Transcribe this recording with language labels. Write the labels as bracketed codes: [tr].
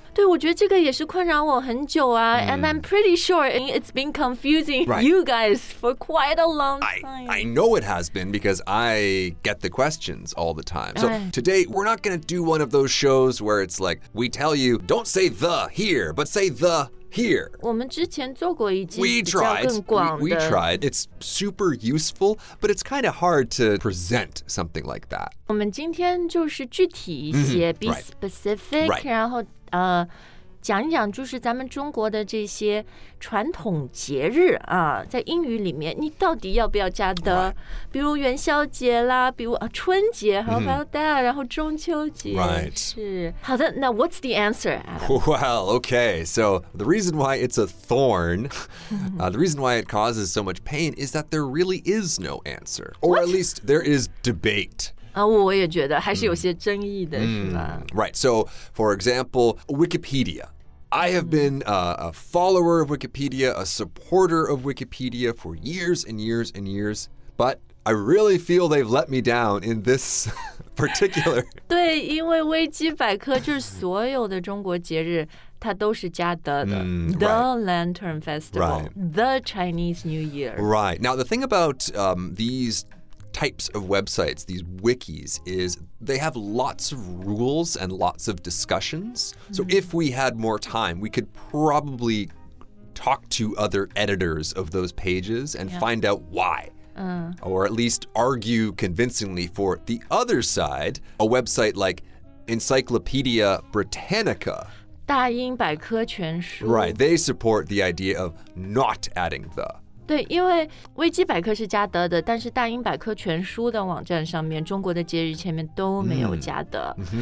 [zh] 对，我觉得这个也是困扰我很久啊。 [en] And I'm pretty sure it's been confusing you guys for quite a long time. I know it has been because I get the questions all the time. So today, we're not going to do one of those shows where it's like, we tell you, don't say the here, but say the here. [zh] 我们之前做过一集比较更广的。 [en] We tried. It's super useful, but it's kind of hard to present something like that. [zh] 我们今天就是具体一些 [en] be specific, right. [zh] 然后讲一讲就是咱们中国的这些传统节日啊，在英语里面你到底要不要加的、 [en] right. [zh] 比如元宵节啦，比如春节，还有还有带啊，然后中秋节、 [en] right. [zh] 是好的。那 [en] what's the answer, Adam? Well, okay, so the reason why it's a thorn, the reason why it causes so much pain is that there really is no answer, or at least there is debate. [zh] 我也觉得还是有些争议的是吧 [en] Right, so for example, Wikipedia. I have been a follower of Wikipedia, a supporter of Wikipedia for years and years and years, but I really feel they've let me down in this particular... [zh] 对，因为维基百科就是所有的中国节日它都是加的 [en] The Lantern Festival, The Chinese New Year. Right, now the thing about these... types of websites, these wikis, is they have lots of rules and lots of discussions. So if we had more time, we could probably talk to other editors of those pages and find out why. Or at least argue convincingly for the other side, a website like Encyclopedia Britannica. [zh] 大英百科全书 [en] Right, they support the idea of not adding the. [zh] 对，因为维基百科是加德的，但是大英百科全书的网站上面，中国的节日前面都没有加德。